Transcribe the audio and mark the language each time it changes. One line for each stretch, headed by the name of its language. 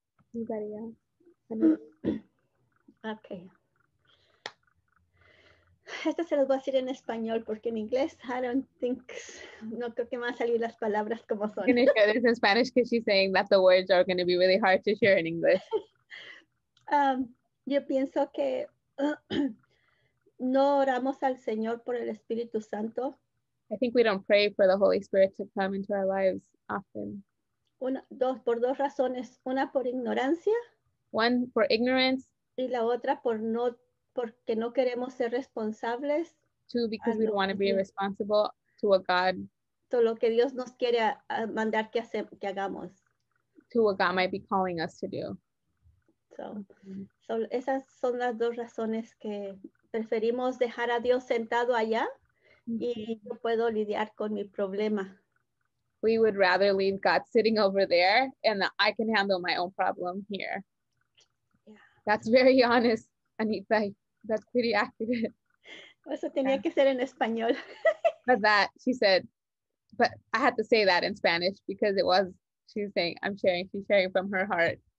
English: Anybody else? Okay.
Spanish: Esto se los voy a decir en español porque en inglés
English: I don't think,
Spanish: no creo que me van a salir las palabras como son.
English: Can you share this in Spanish because she's saying that the words are going to be really hard to share in English.
Spanish: Yo pienso que no oramos al Señor por el Espíritu Santo.
English: I think we don't pray for the Holy Spirit to come into our lives often.
Spanish: Por dos razones. Una por ignorancia.
English: One for ignorance.
Spanish: Y la otra por no. Porque no queremos ser responsables.
English: Two, because we don't want to be responsible to what God.
Spanish: To lo que Dios nos quiere mandar que que hagamos.
English: To what God might be calling us to do.
Spanish: So esas son las dos razones que preferimos dejar a Dios sentado allá y yo puedo lidiar con mi problema.
English: We would rather leave God sitting over there and I can handle my own problem here. Yeah. That's very honest, Anita. That's pretty accurate.
Spanish: Eso tenía que ser en español.
English: But that, she said, but I had to say that in Spanish because it was, she's saying, I'm sharing, she's sharing from her heart.